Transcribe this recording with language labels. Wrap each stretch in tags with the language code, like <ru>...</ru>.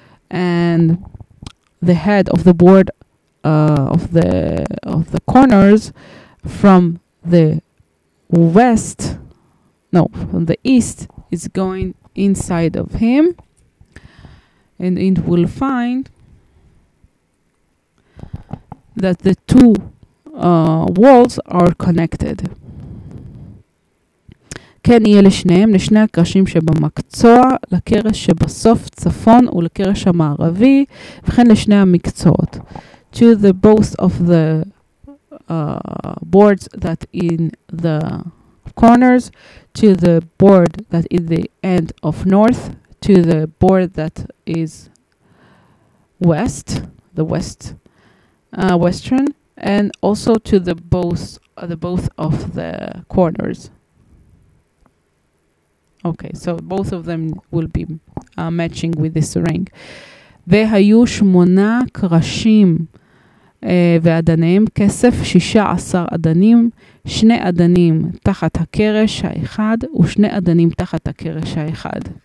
<en>And the head of the board of the corners from the west, no, from the east, is going inside of him, and it will find that the two walls are connected.</en> <he>כן, יהיה לשניהם, לשני הקרשים שבמקצוע, לקרש שבסוף צפון ולקרש המערבי, וכן לשני המקצועות.</he> <en>To the both of the boards that in the corners, to the board that is the end of north, to the board that is west, the west, western, and also to the both of the corners. Okay, so both of them will be matching with this ring.</en> <he>והיו שמונה קרשים ואדניהם כסף, 16 אדנים, שני אדנים תחת הקרש האחד ושני אדנים תחת הקרש האחד.</he>